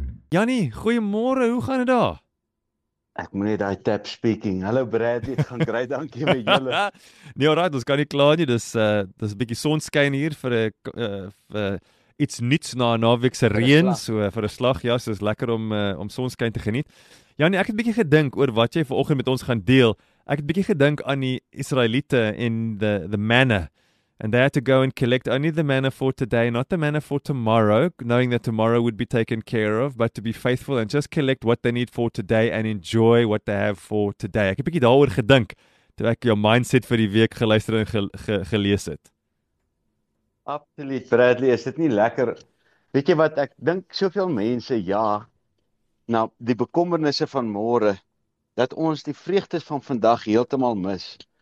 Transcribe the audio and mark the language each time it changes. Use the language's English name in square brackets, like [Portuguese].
[Afrikaans] Jannie, goeiemôre, hoe gaan dit daar? Ek moet net daai tap speaking. Hallo Brad, dit gaan great, dankie met julle. Nee, alright, ons kan nie kla nie, dis 'n bietjie sonskyn hier vir 'n iets niets na 'n naweek se reën, so vir 'n slag, ja, so is lekker om om sonskyn te geniet. Jannie, ek het 'n bietjie gedink oor wat jy vanoggend met ons gaan deel. Ek het 'n bietjie gedink aan die Israeliete en the manna. [English] And they had to go and collect only the manna for today, not the manna for tomorrow, knowing that tomorrow would be taken care of, but to be faithful and just collect what they need for today and enjoy what they have for today. [Afrikaans] Ek het 'n bietjie daaroor gedink toe ek jou mindset vir die week geluister en gelees het. Absoluut, Bradley, is dit nie lekker? Weet jy wat, ek dink soveel mense ja, na die bekommernisse van môre, dat ons die vreugdes van vandag heeltemal mis.